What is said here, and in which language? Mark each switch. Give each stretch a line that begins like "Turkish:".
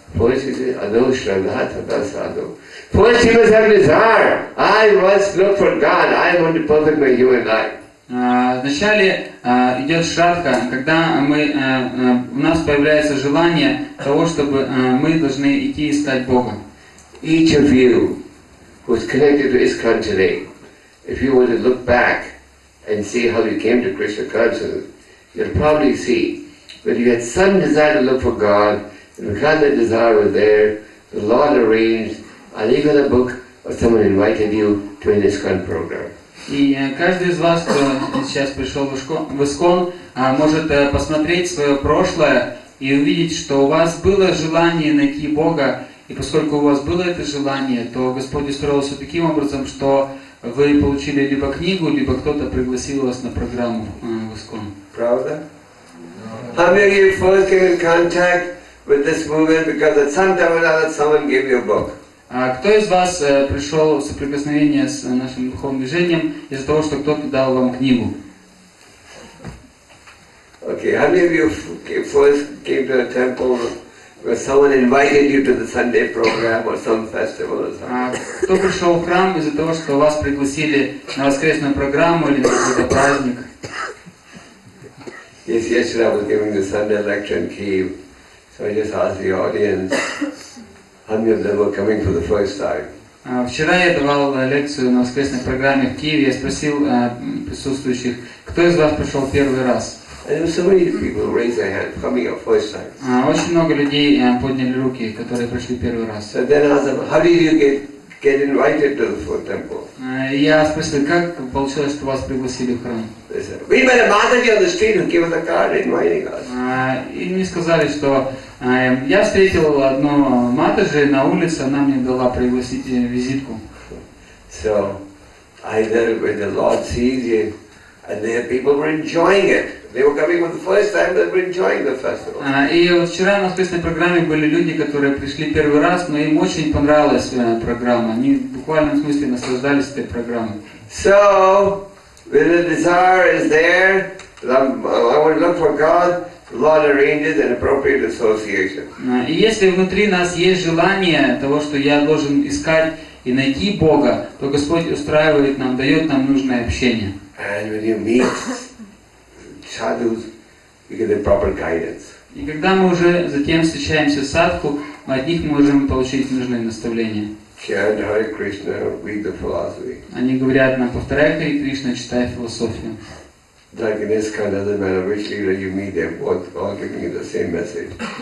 English: First you must have desire. I must look for God. I want to perfect my human life.
Russian: Вначале идет шрадха, когда мы, у нас появляется желание того, чтобы мы должны идти искать Бога.
English: Each of you who is connected to ISKCON today, if you were to look back and see how you came to Krishna consciousness, you'll probably see that you had some desire to look for God, and because that desire was there, the Lord arranged a legal book or someone invited you to an ISKCON program.
Russian: И каждый из вас, кто сейчас пришел в ИСКОН, может посмотреть свое прошлое и увидеть, что у вас было желание найти Бога, и поскольку у вас было это желание, то Господь устроил все таким образом, что вы получили либо книгу, либо кто-то пригласил вас на программу в ИСКОН. Правда?
English: How many of you first came in contact with this movement because at some time or another someone gave you a book?
Russian: Кто из вас пришел в соприкосновение с нашим духовным движением из-за того, что кто-то дал вам книгу?
English: Okay, how many of you first came to a temple where someone invited you to the Sunday program or some festival or something?
Russian: Кто пришел в храм из-за того, что вас пригласили на воскресную программу или на какой-то праздник?
English: Yes, yesterday I was giving the Sunday lecture in Kyiv, so I just asked the audience. How many of them were coming for the first time?
Russian: Вчера я давал лекцию на воскресной программе в Киеве. Я спросил присутствующих, кто из вас пришел первый раз?
English: And there were so many people raised their hand, coming up first time.
Russian: Очень много людей подняли руки, которые пришли первый раз.
English: So then I asked them, how did you get invited to the full temple?
Russian: Я спросил, как получилось, что вас пригласили в храм?
English: They said, we met a Mataji on the street who gave us a card inviting us.
Russian: И мне сказали, что я встретил одну матаджи на улице, она мне дала пригласить визитку.
English: So, either when the Lord sees it, and there people were enjoying it. They were coming for the first time, they were enjoying the festival.
Russian: И вот вчера на воскресной программе были люди, которые пришли первый раз, но им очень понравилась программа. Они в буквальном смысле наслаждались этой программой.
English: So, when the desire is there, I want to look for God, the Lord arranges an appropriate association.
Russian: И если внутри нас есть желание того, что я должен искать и найти Бога, то Господь устраивает нам, дает нам нужное общение.
English: And when you meet sadhus, you get the proper guidance.
Russian: И когда мы уже затем встречаемся с садху, мы от них можем получить нужное наставление.
English: Chant Hare Krishna, read the philosophy.
Russian: Они говорят нам, повторяй Хари Кришна, читай философию.
English: Like in this kind, doesn't matter which leader you meet, they're both all giving you the same message.